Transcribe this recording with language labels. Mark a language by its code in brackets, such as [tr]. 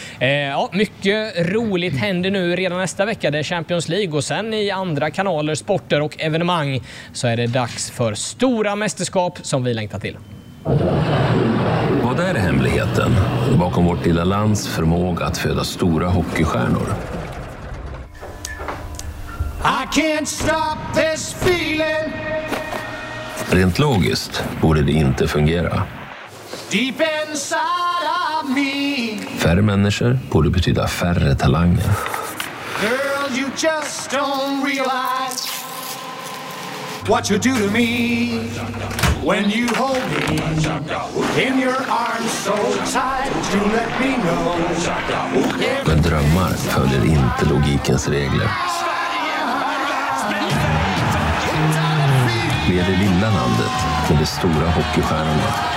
[sv] Ja, mycket roligt händer nu redan nästa vecka. Det är Champions League och sen i andra kanaler, sporter och evenemang så är det dags för stora mästerskap som vi längtar till. Vad är hemligheten bakom vårt lilla lands förmåga att föda stora hockeystjärnor? [en] I can't stop this feeling. [sv] Rent logiskt borde det inte fungera. [en] Deep inside of me. [sv] Färre människor borde betyda färre talanger. [en] Girl, you just don't realize what you do to me when you hold me in your arms so tight to let me know. [sv] Men drömmar följer inte logikens regler. Vi är det lilla landet med det stora hockeystjärnorna.